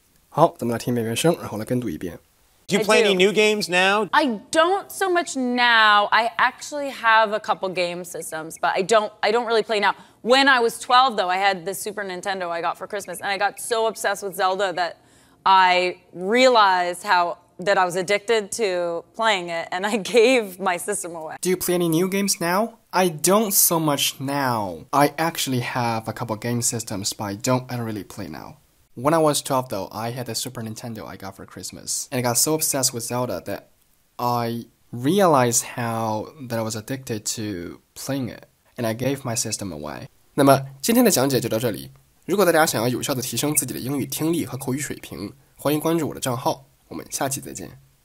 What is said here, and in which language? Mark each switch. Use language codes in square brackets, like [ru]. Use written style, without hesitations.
[zh] 好，咱们来听一遍原声，然后来跟读一遍。 [en] Do you play any new games now? I don't so much now. I actually have a couple game systems, but I don't really play now. When I was 12, though, I had the Super Nintendo I got for Christmas, and I got so obsessed with Zelda that I realized that I was addicted to playing it, and I gave my system away. Do you play any new games now? I don't so much now. I actually have a couple game systems, but I don't really play now. When I was 12, though, I had the Super Nintendo I got for Christmas, and I got so obsessed with Zelda that I realized that I was addicted to playing it, and I gave my system away. [zh] 那么今天的讲解就到这里。如果大家想要有效地提升自己的英语听力和口语水平，欢迎关注我的账号。我们下期再见。